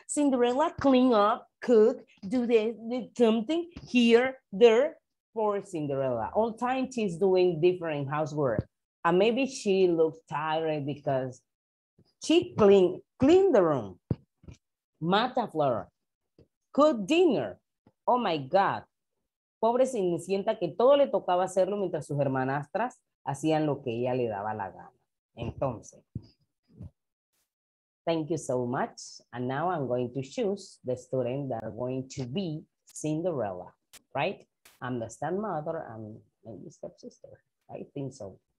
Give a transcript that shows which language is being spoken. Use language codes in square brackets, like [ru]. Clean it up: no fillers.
[en] Cinderella clean up, cook, do the something here, there for Cinderella. All time she's doing different housework. And maybe she looks tired because she clean the room, mop the floor, cook dinner. Oh my God. [es] Pobre Cenicienta que todo le tocaba hacerlo mientras sus hermanastras hacían lo que ella le daba la gana. Entonces. [en] Thank you so much. And now I'm going to choose the student that are going to be Cinderella, right? I'm the stepmother and maybe stepsister. I think so.